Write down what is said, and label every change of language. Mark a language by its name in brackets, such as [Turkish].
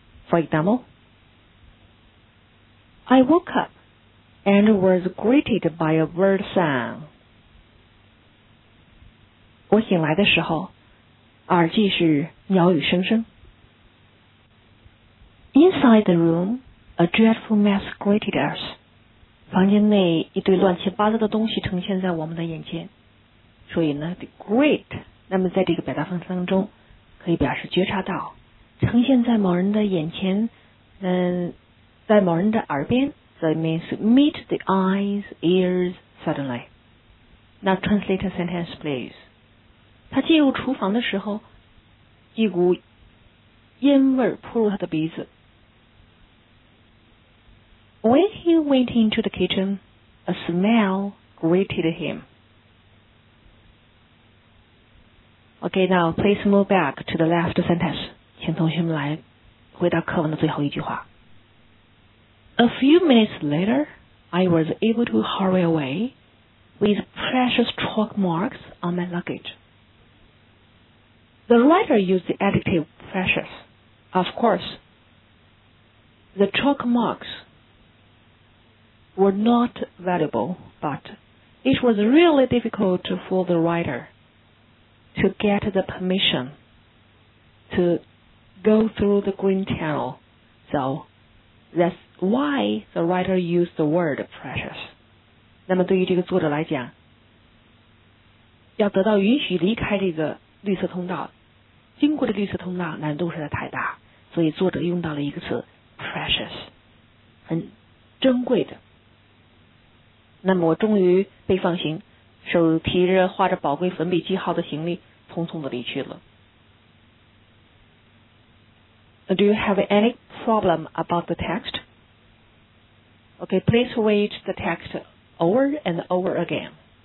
[English] For example, I woke up and was greeted by a bird song. [Chinese] 我醒来的时候，耳际是鸟语声声。 [English] Inside the room, a dreadful mess greeted us. [Chinese] 房间内一堆乱七八糟的东西呈现在我们的眼前。所以呢 ，the great， 那么在这个表达方式当中，可以表示觉察到，呈现在某人的眼前，在某人的耳边 ， [English] that means meet the eyes, ears suddenly. Now translate a sentence, please. [Chinese] 他进入厨房的时候，一股烟味扑入他的鼻子。 [English] When he went into the kitchen, a smell greeted him. Okay, now please move back to the last sentence. [Chinese] 请同学们来回答课文的最后一句话。 [English] A few minutes later, I was able to hurry away with precious chalk marks on my luggage. The writer used the adjective precious. Of course, the chalk marks were not valuable, but it was really difficult for the writer to get the permission to go through the green channel. So that's why the writer used the word precious. [Chinese] 那么对于这个作者来讲，要得到允许离开这个绿色通道，经过的绿色通道难度实在太大，所以作者用到了一个词 precious， 很珍贵的。那么我终于被放行，手提着画着宝贵粉笔记号的行李，匆匆的离去了。 [English] Do you have any problem about the text? Okay, please read the text over and over again.